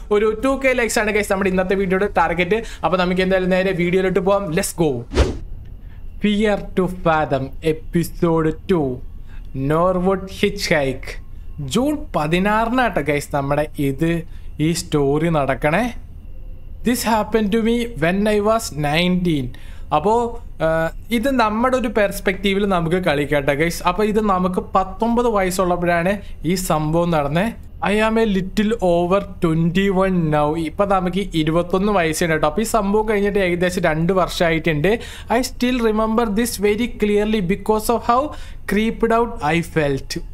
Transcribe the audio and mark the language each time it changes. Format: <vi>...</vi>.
<ml>ഒരു 2K likes ആണ് guys നമ്മുടെ ഇന്നത്തെ വീഡിയോയുടെ ടാർഗറ്റ്. അപ്പോൾ നമുക്ക് എന്തായാലും നേരെ വീഡിയോയിലോട്ട് പോവാം.</ml> <en>Let's go.</en> <ml>Fear to Fathom Episode 2 Norwood Hitchhike June 16 ആട്ടോ ഗൈസ് നമ്മുടെ ഇത് ഈ സ്റ്റോറി നടക്കണേ.</ml> <en>This happened to me when I was 19.</en> <ml>അപ്പോൾ ഇത് നമ്മുടെ ഒരു പെർസ്പെക്റ്റീവിൽ നമുക്ക് കളിക്കട്ടെ ഗൈസ്. അപ്പോൾ ഇത് നമുക്ക് 19 വയസ്സുള്ളപ്പോഴാണ് ഈ സംഭവം നടന്നേ.</ml> <en>I am a little over 21 now.</en> <ml>ഇപ്പം നമുക്ക് 21 വയസ്സുണ്ട് കേട്ടോ. അപ്പോൾ ഈ സംഭവം കഴിഞ്ഞിട്ട് ഏകദേശം 2 വർഷമായിട്ടുണ്ട്.</ml> <en>I still remember this very clearly because of how creeped out I felt.</en>